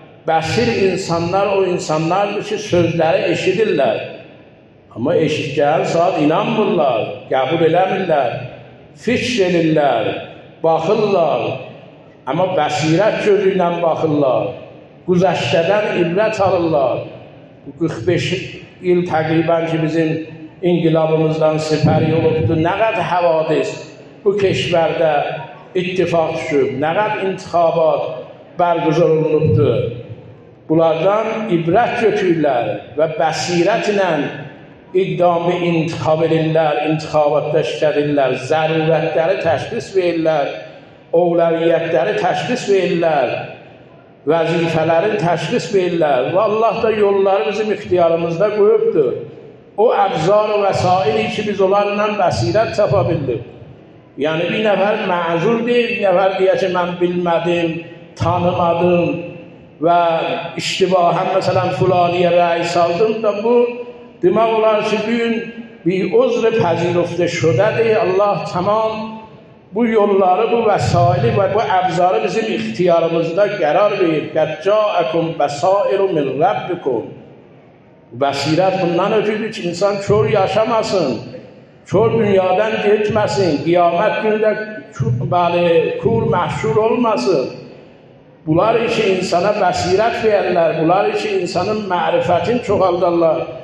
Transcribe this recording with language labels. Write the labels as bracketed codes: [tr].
[az] بصیر انسانلار او انسانلار که سوزلری اشیدیرلر اما اشیدگن ساعت اینانمورلر، قبول الهمیرلر، فکرلیرلر، باخیرلر، اما بصیرت گوزویلن باخیرلر، گذشتهدن عبرت آلیرلر. بو 45 یل تقریباً که بیزیم انقلابمیزدن سپری اولوبدی، نقدر حوادث بو کشورده اتفاق شد، نقدر انتخابات برگزار اولوبدی. بلاردن عبرت گوتویلر و بصیرتلن اقدام به انتخاب ایلر، انتخابات داشتریلر، ضرورتلری تشخیص ویلر، اولویتلری تشخیص ویلر، وظیفه‌لرین تشخیص ویلر. و الله دا یولاری بیزیم اختیارمیزدا قویوبدی. او ابزار و وسایلی که بیز اولارلن بصیرت تاپا بیلدیم. یعنی بی نفر معذور دیر، بی نفر دیگه که من بیلمدیم، تانیمادیم و اشتباهن مثلا فلانیه رأی سالدیم دا بو دماغ اولار که بیون بی عذر پذیرفته شده دیر. الله تمام بو یولاری، بو وسایلی و بو ابزاری بیزیم اختیارمیزدا قرار بیر. [ar] قد جاءکم بصائر من ربکم. [az] بصیرت بوندن اوتری که انسان کور یاشاماسین، کور دنیادن گیتمسین، قیامت گونده بله کور محشور اولماسین. بولار ایچی انسانا بصیرت بیرلر، بولار ایچی انسانن معرفتین چوغالدارلر.